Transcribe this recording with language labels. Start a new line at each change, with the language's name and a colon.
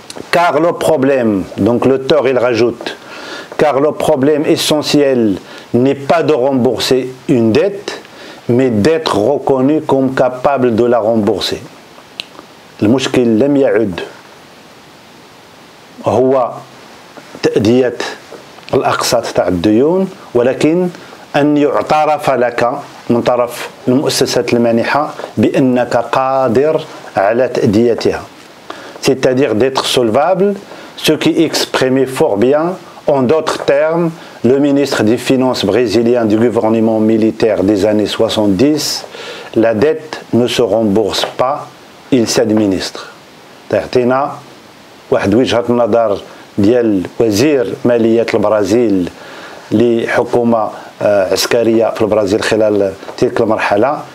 French: Car le problème, donc l'auteur il rajoute, car le problème essentiel n'est pas de rembourser une dette, mais d'être reconnu comme capable de la rembourser.
Arabic: المشكل لم يعد هو تأدية الأقساط تاع الديون، ولكن أن يعترف لك من طرف المؤسسات المانحة بأنك قادر على تأديتها.
French: C'est-à-dire d'être solvable, ce qui exprimait fort bien, en d'autres termes, le ministre des Finances brésilien du gouvernement militaire des années 70, la dette ne se rembourse pas, il s'administre.
Arabic: تعطينا واحد وجهة النظر ديال وزير مالية البرازيل لحكومة عسكرية في البرازيل خلال تلك المرحلة.